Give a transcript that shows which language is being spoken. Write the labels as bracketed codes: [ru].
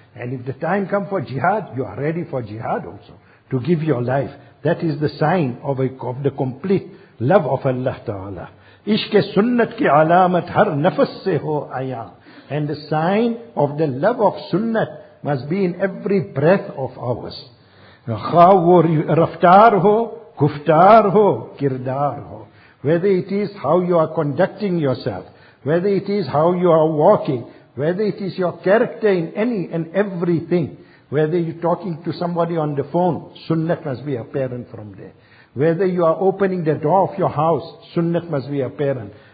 [en] And if the time comes for jihad, you are ready for jihad also, to give your life. That is the sign of the complete love of Allah Ta'ala. [ur] Ishq-e sunnat ki alamat har nafas se ho aya. [en] And the sign of the love of sunnat must be in every breath of ours. [ur] خواہ وہ رفتار ہو, گفتار ہو, کردار ہو. [en] Whether it is how you are conducting yourself, whether it is how you are walking, whether it is your character in any and everything, whether you're talking to somebody on the phone, sunnah must be apparent from there. Whether you are opening the door of your house, sunnah must be apparent.